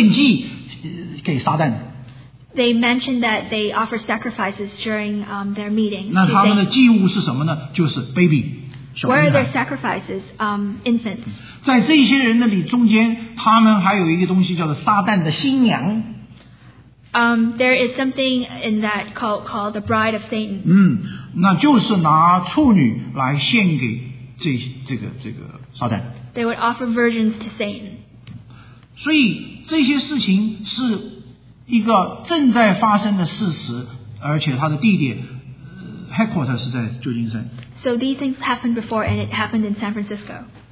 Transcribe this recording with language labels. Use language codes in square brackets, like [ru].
[zh] 他告诉我们，在他们这个聚会的时候，他们要献祭给撒旦。 [en] They mentioned that they offer sacrifices during their meetings. [zh] 那他们的祭物是什么呢？就是baby。 [en] Where are their sacrifices? Infants. [zh] 在这些人的里中间, 他们还有一个东西叫做撒旦的新娘。 [en] There is something in that cult called the Bride of Satan. [zh] 那就是拿处女来献给这个撒旦。 [en] They would offer virgins to Satan. [zh] 所以这些事情是一个正在发生的事实, 而且它的地点, headquarters是在旧金山。 [en] So these things happened before and it happened in San Francisco.